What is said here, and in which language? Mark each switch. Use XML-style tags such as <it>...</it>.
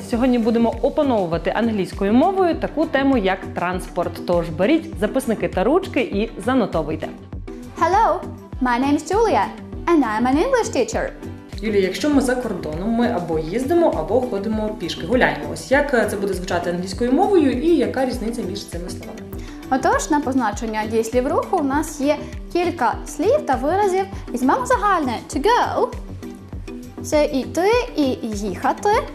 <uk>Сьогодні будемо опановувати англійською мовою таку тему, як транспорт. Тож беріть записники та ручки і занотовуйте.</uk> <en>Hello, my name is Julia and I'm an English teacher.</en> <uk>Юлія, якщо ми за кордоном, ми або їздимо, або ходимо пішки, гуляємо. Ось як це буде звучати англійською мовою і яка різниця між цими словами? Отож, на позначення дієслів руху у нас є кілька слів та виразів. Візьмемо загальне «to go». Це «іти» і «їхати».</uk>